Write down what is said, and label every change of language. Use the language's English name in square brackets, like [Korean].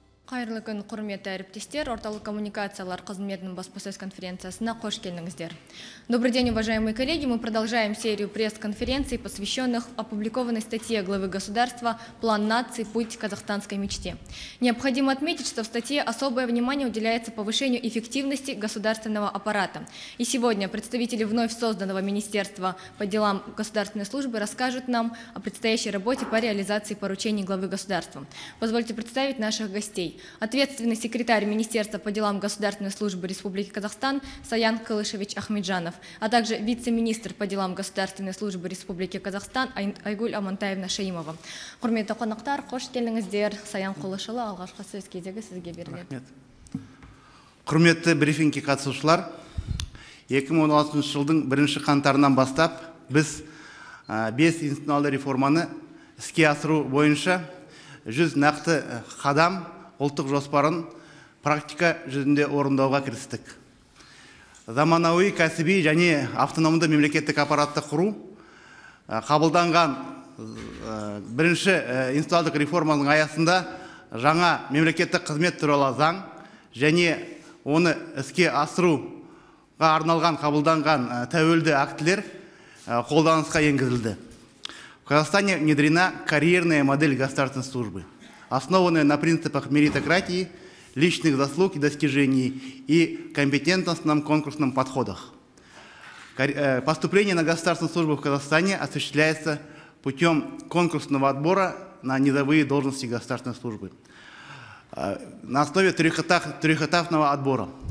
[Kazakh] Қайырлы күн, құрметті әріптестер. Орталық коммуникациялар қызметінің баспасөз конференциясына қош келдіңіздер. [Russian] Добрый день, уважаемые коллеги. Мы продолжаем серию пресс-конференций, посвященных опубликованной статье главы государства «План нации. Путь казахстанской мечте». Необходимо отметить, что в статье особое внимание уделяется повышению эффективности государственного аппарата. И сегодня представители вновь созданного Министерства по делам государственной службы расскажут нам о предстоящей работе по реализации поручений главы государства. Позвольте представить наших гостей. Ответственный секретарь Министерства по делам государственной службы Республики Казахстан Саян Кылышевич Ахмеджанов, а также вице-министр по делам государственной службы Республики Казахстан Айгуль Амантаевна Шаимова. [Kazakh] Құрметті қонақтар, қош келдіңіздер. Саян Кылышұлы, алғашқы сөз кезегі сізге беріледі. Рахмет. Құрметті брифингке қатысушылар, 2016 жылдың 1 қаңтарынан бастап біз 5 институционалды реформаны іске асыру бойынша 100 нақты қадам ұлттық жоспарын практика жүзінде орындауға кірістік. Заманауи кәсіби және автономды мемлекеттік аппаратты құру қабылданған бірінші институционалдық реформаның аясында жаңа мемлекеттік қызмет туралы заң және оны іске асыруға арналған қабылданған тәуелді актілер қолданысқа енгізілді. [Russian] В Казахстане внедрена карьерная модель государственной службы, основанная на принципах меритократии, личных заслуг и достижений и компетентностном конкурсном подходах. Поступление на государственную службу в Казахстане осуществляется путем конкурсного отбора на низовые должности государственной службы на основе трехэтапного отбора.